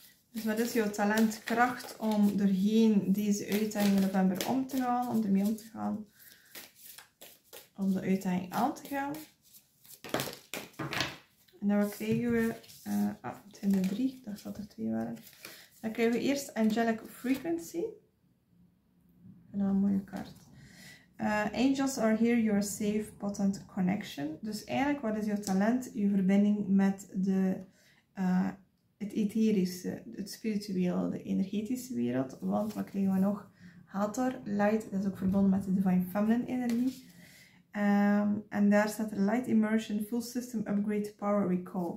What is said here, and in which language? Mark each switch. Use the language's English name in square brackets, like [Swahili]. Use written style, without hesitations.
[Dutch] Dus wat is jouw talent, kracht om doorheen deze uitdaging in november om te gaan, om ermee om te gaan, om de uitdaging aan te gaan? En dan krijgen we, het zijn er drie, ik dacht dat er twee waren. Dan krijgen we eerst Angelic Frequency. En dan een mooie kaart. [English] Angels are here, your safe, potent connection. [Dutch] Dus eigenlijk, wat is jouw talent, je verbinding met de... het etherische, het spirituele, de energetische wereld. Want wat krijgen we nog? Hathor, light, dat is ook verbonden met de divine feminine energie. En daar staat er [English] light immersion, full system upgrade, power recall.